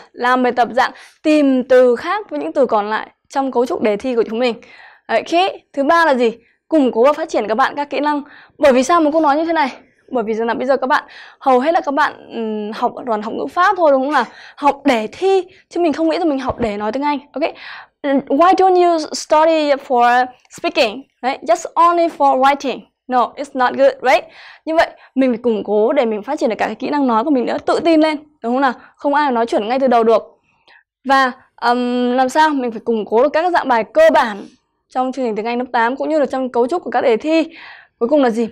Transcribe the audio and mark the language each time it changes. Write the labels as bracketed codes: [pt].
[vi] Làm bài tập dạng tìm từ khác với những từ còn lại trong cấu trúc đề thi của chúng mình. Đấy, khi thứ ba là gì? Củng cố và phát triển các bạn các kỹ năng. Bởi vì sao mà cô nói như thế này? Bởi vì rằng là bây giờ các bạn hầu hết là các bạn học toàn học ngữ pháp thôi, đúng không nào? Học để thi chứ mình không nghĩ là mình học để nói tiếng Anh. [en] Ok, why don't you study for speaking, right? Just only for writing? No, it's not good, right? [vi] Như vậy mình phải củng cố để mình phát triển được cả cái kỹ năng nói của mình nữa, tự tin lên, đúng không nào? Không ai nói chuẩn ngay từ đầu được. Và làm sao mình phải củng cố được các dạng bài cơ bản trong chương trình tiếng Anh lớp 8 cũng như là trong cấu trúc của các đề thi. Cuối cùng là gì?